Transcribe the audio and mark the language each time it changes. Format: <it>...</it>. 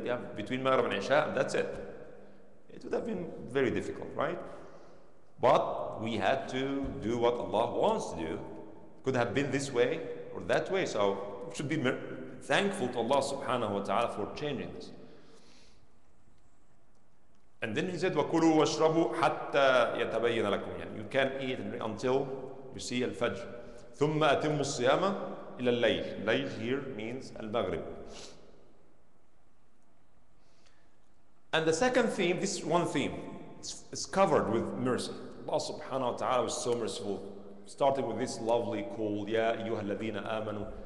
<en>You have between Maghrib and Isha, that's it. It would have been very difficult, right? But we had to do what Allah wants to do. Could have been this way or that way. So we should be thankful to Allah subhanahu wa ta'ala for changing this. And then He said,</en> <ar>وَكُلُوا وَاشْرَبُوا حَتَّى يَتَبَيَّنَ لَكُمْ.</ar> <en>You can eat and drink until you see al-fajr.</en> <ar>ثُمَّ أَتِمُّ الصِّيَامَ إِلَى اللَّيْلِ.</ar> <en>Layl here means al-maghrib. And the second theme, this one theme, it's covered with mercy. Allah subhanahu wa ta'ala was so merciful. Started with this lovely call,</en> <ar>Ya ayyuhal ladhina amanu.</ar>